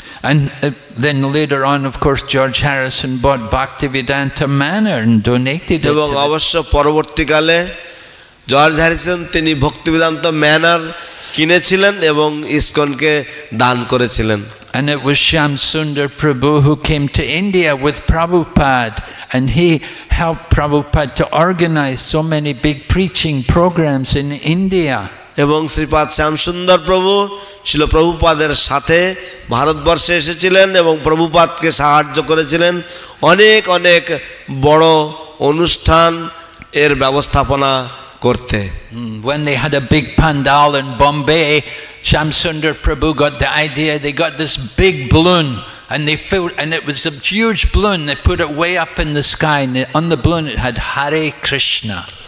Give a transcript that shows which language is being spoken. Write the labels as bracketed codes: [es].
[en] And then later on, of course, George Harrison bought Bhaktivedanta Manor and donated it. [bn] And অবশ্য পরবর্তীকালে George Harrison তিনি Bhaktivedanta manor কিনেছিলেন এবং ইসকনকে দান করেছিলেন [en] And it was Shyam Sundar Prabhu who came to India with Prabhupada and he helped Prabhupada to organize so many big preaching programs in India. [bn] এবং শ্রীপাদ শ্যাম সুন্দর প্রভু শিল প্রভুপাদের সাথে ভারতবর্ষে এসেছিলেন এবং প্রভুপাদকে সাহায্য করেছিলেন অনেক অনেক বড় অনুষ্ঠান এর ব্যবস্থাপনা করতে [en] When they had a big pandal in Bombay, Shyam Sundar Prabhu got the idea, they got this big balloon and they filled and it was a huge balloon, they put it way up in the sky and on the balloon it had Hare Krishna.